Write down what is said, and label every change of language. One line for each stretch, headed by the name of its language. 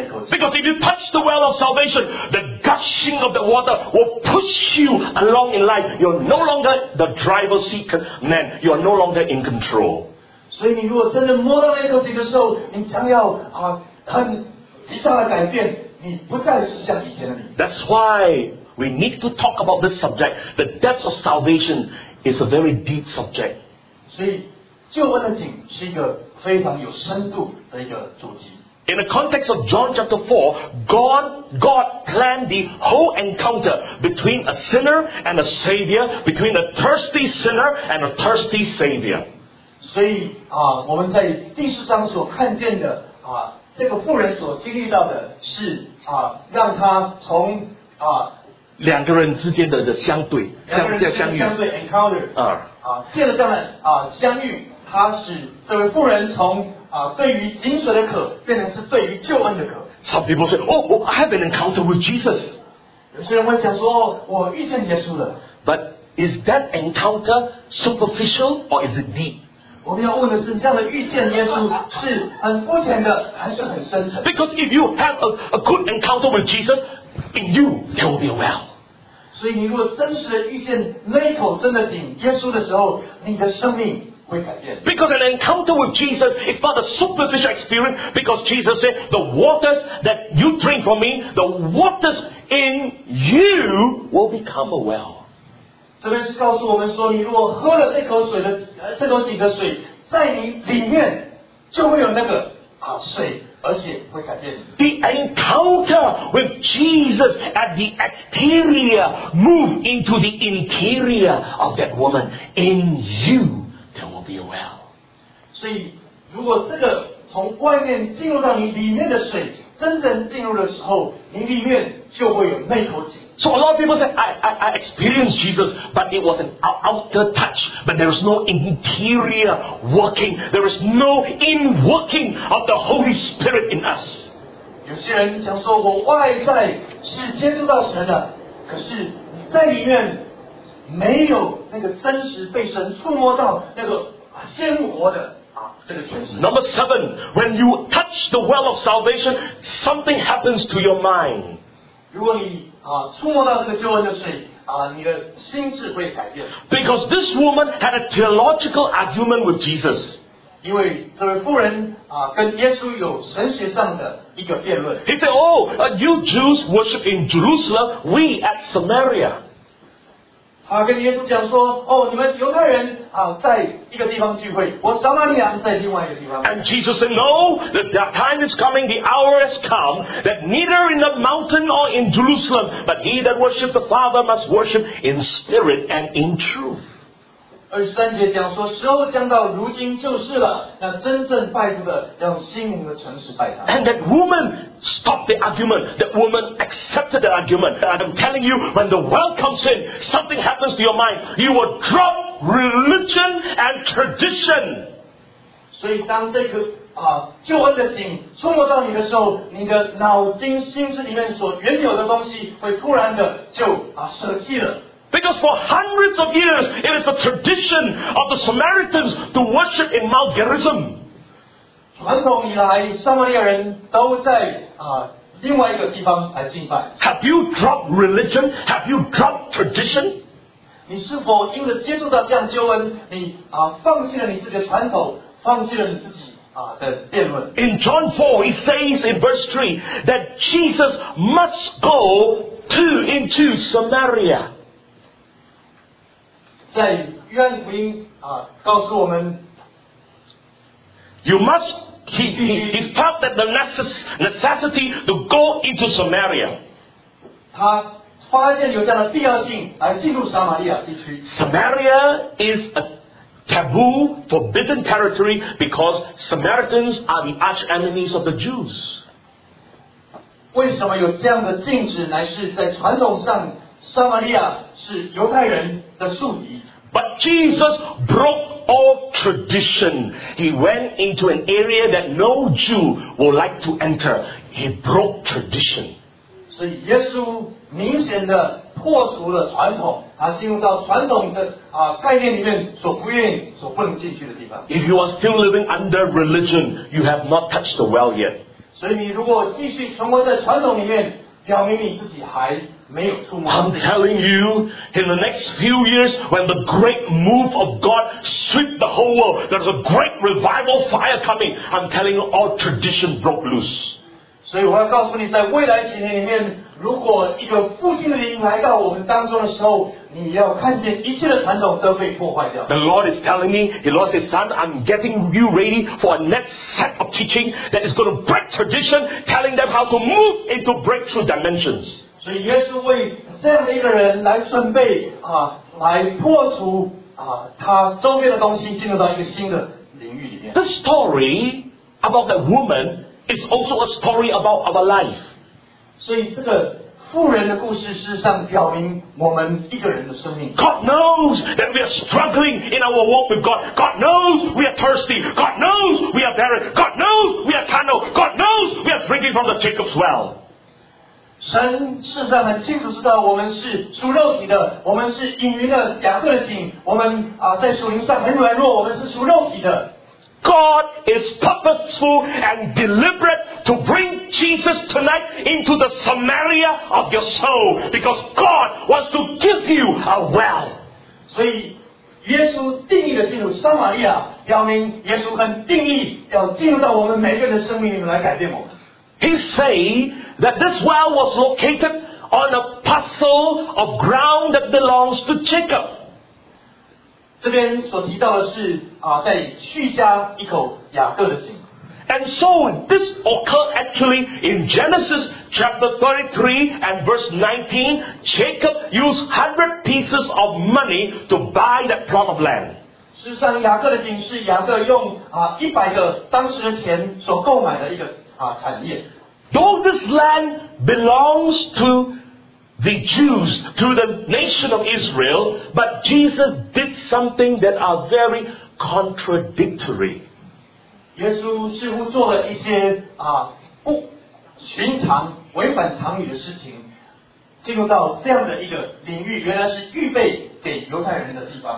English: Because if you touch the well of salvation, the gushing of the water will push you along in life. You're no longer the driver's seat man. You are no longer in control.
Chinese: 所以你如果真的摸到那口井的时候，你将要很极大的改变，你不再是像以前的你。
English: That's why we need to talk about this subject. The depth of salvation is a very deep subject.
Chinese: 所以救恩的井是一个非常有深度。
English: In the context of John chapter 4, God planned the whole encounter between a sinner and a savior, between a thirsty sinner and a thirsty savior.
Chinese: 所以我们在第四章所看见的这个妇人所经历到的是让她从两个人之间的相对，两个人之间相遇 encounter 借着这样的相遇，她使这位妇人从对于井水的渴变成是对于救恩的渴。
English: Some people say, "Oh, I have an encounter with Jesus."
Chinese: 有些人会想说，我遇见耶稣了。
English: But is that encounter superficial or is it deep?
Chinese: 我们要问的是，这样的遇见耶稣是很肤浅的，还是很深层
English: ？Because if you have a good encounter with Jesus, in you there will be a well.
Chinese: 所以你如果真实的遇见那一口真的井耶稣的时候，你的生命。
English: Because an encounter with Jesus is not a superficial experience, because Jesus said, the waters that you drink from me, the waters in you will become a well.
Chinese: 这边是告诉我们说，你如果喝了那口水的圣灵井的水在你里面，就会有那个水，而且会改变你。
English: The encounter with Jesus at the exterior move into the interior of that woman. In you, there will be a well.
Chinese: 所以，如果这个从外面进入到你里面的水真正进入的时候，你里面就会有那口井。
English: So a lot of people say, I experienced Jesus, but it was an outer touch. But there was no interior working. There was no in working of the Holy Spirit in us.
Chinese: 有些人想说我外在是接触到神了，可是你在里面没有那个真实被神触摸到那个鲜活的。
English: Number seven, when you touch the well of salvation, something happens to your mind.
Chinese: 如果你触摸到这个救恩的水你的心智会改变。
English: Because this woman had a theological argument with Jesus.
Chinese: 因为这位妇人跟耶稣有神学上的一个辩论。
English: He said, you Jews worship in Jerusalem, we at Samaria.
Chinese: 他跟耶稣讲说你们犹太人在一个地方聚会，我撒玛利亚在另外一个地方。
English: And Jesus said, No, the time is coming, the hour has come, that neither in the mountain nor in Jerusalem, but he that worship the Father must worship in spirit and in truth.
Chinese: 23节讲说时候将到，如今就是了，那真正拜主的要用心灵的诚实拜他。
English: And that woman stopped the argument. That woman accepted the argument. And I'm telling you, when the well comes in, something happens to your mind. You will drop religion and tradition.
Chinese: 所以当这个救恩的井触摸到你的时候，你的脑筋心智里面所原有的东西会突然的就舍弃了。
English: Because for hundreds of years, it is the tradition of the Samaritans to worship in Mount Gerizim.
Chinese: 传统以来，撒玛利亚人都在另外一个地方来敬拜。
English: Have you dropped religion? Have you dropped tradition?
Chinese: 你是否因为接触到这样救恩，你放弃了你自己的传统，放弃了你自己的辩论？
English: In John 4, he says in verse 3 that Jesus must go into Samaria.
Chinese: 在约翰福音告诉我们
English: ，You must he felt that the necessity to go into Samaria.
Chinese: 他发现有这样的必要性来进入撒玛利亚地区。
English: Samaria is a taboo, forbidden territory because Samaritans are the arch enemies of the Jews.
Chinese: 为什么有这样的禁止？乃是在传统上，撒玛利亚是犹太人的宿敌。
English: But Jesus broke all tradition. He went into an area that no Jew would like to enter. He broke tradition.
Chinese: 所以耶稣明显的破除了传统，他进入到传统的概念里面所不愿意、所不能进去的地方。
English: If you are still living under religion, you have not touched the well yet.
Chinese: 所以你如果继续存活在传统里面，表明你自己还。
English: I'm telling you, in the next few years, when the great move of God sweep the whole world, there's a great revival fire coming. I'm telling you, all tradition broke loose.
Chinese: 所以我要告诉你，在未来几年里面，如果一个复兴的灵来到我们当中的时候，你要看见一切的传统都被破坏掉。
English: The Lord is telling me, He lost His Son. I'm getting you ready for a next set of teaching that is going to break tradition, telling them how to move into breakthrough dimensions.
Chinese: 所以耶稣为这样的一个人来准备来破除他周边的东西，进入到一个新的领域里面。
English: The story about that woman is also a story about our life.
Chinese: 所以这个妇人的故事实际上表明我们一个人的生命。
English: God knows that we are struggling in our walk with God. God knows we are thirsty. God knows we are barren. God knows we are carnal. God knows we are drinking from the Jacob's well.
Chinese: 神事实上很清楚知道我们是属肉体的，我们是隐于的雅各的井，我们在属灵上很软弱，我们是属肉体的。
English: God is purposeful and deliberate to bring Jesus tonight into the Samaria of your soul because God wants to give you a well.
Chinese: 所以耶稣定义的进入撒玛利亚，表明耶稣很定义要进入到我们每个人的生命里面来改变我们。
English: He said that this well was located on a parcel of ground that belongs to Jacob.
Chinese: 这边所提到的是啊，在续加一口雅各的井。
English: And so this occurred actually in Genesis chapter 33 and verse 19. Jacob used 100 pieces of money to buy that plot of land.
Chinese: 事实上，雅各的井是雅各用啊一百个当时的钱所购买的一个啊产业。
English: Though this land belongs to the Jews, to the nation of Israel, but Jesus did something that are very contradictory.
Chinese: 耶稣似乎做了一些啊不寻常、违反常理的事情，进入到这样的一个领域，原来是预备给犹太人的地方。